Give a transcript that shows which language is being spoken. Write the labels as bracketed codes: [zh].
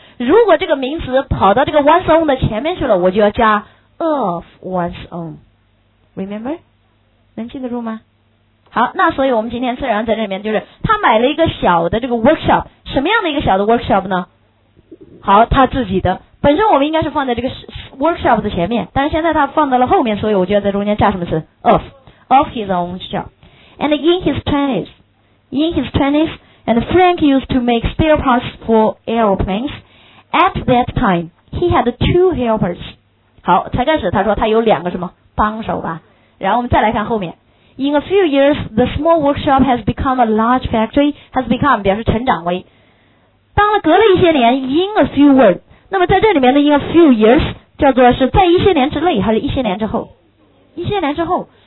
[zh] 如果这个名词跑到这个 one's own 的前面去了，我就要加 of one's own。 [en] remember？ [zh] 能记得住吗？好，那所以我们今天自然在这里面，就是他买了一个小的这个 workshop。什么样的一个小的 workshop 呢？好，他自己的。本身我们应该是放在这个 workshop 的前面，但是现在他放到了后面，所以我就要在中间加什么词？ [en] ofOf his own shop. And in his 20s, and Frank used to make spare parts for airplanes. At that time, he had two helpers. [zh] 好，才开始他说他有两个什么帮手吧。然后我们再来看后面。 [en] In a few years, the small workshop has become a large factory, has become, [zh] 表示成长为。当了隔了一些年， [en] in a few words. [zh] 那么在这里面的 [en] in a few years, [zh] 叫做是在一些年之内还是一些年之后？一些年之后。